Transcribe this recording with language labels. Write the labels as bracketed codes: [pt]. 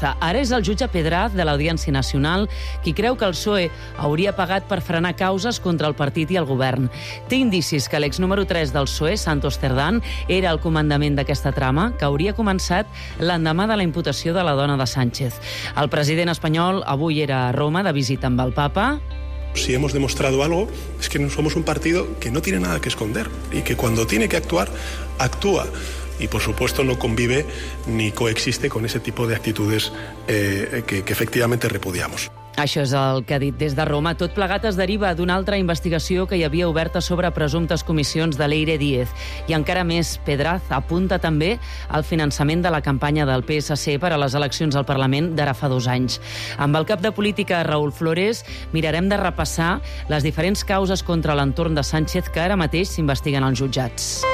[ca] Ara és el jutge Pedraz de l'Audiència Nacional qui creu que el PSOE hauria pagat per frenar causes contra el partit i el govern. Té indicis que l'ex número 3 del PSOE, Santos Cerdán, era el comandament d'aquesta trama que hauria començat l'endemà de la imputació de la dona de Sánchez. El president espanyol avui era a Roma de visita amb el papa. [es] Si hemos demostrado algo, es que somos un partido que no tiene nada que esconder y que cuando tiene que actuar, actúa. Y, por supuesto, no convive ni coexiste con ese tipo de actitudes que efectivamente repudiamos. [ca] Això és el que ha dit des de Roma. Tot plegat es deriva d'una altra investigació que hi havia oberta sobre presumptes comissions de l'Eire Díez. I encara més, Pedraz apunta també al finançament de la campanya del PSC per a les eleccions al Parlament d'ara fa 2 anys. Amb el cap de política, Raül Flores, mirarem de repassar les diferents causes contra l'entorn de Sánchez que ara mateix s'investiguen als jutjats.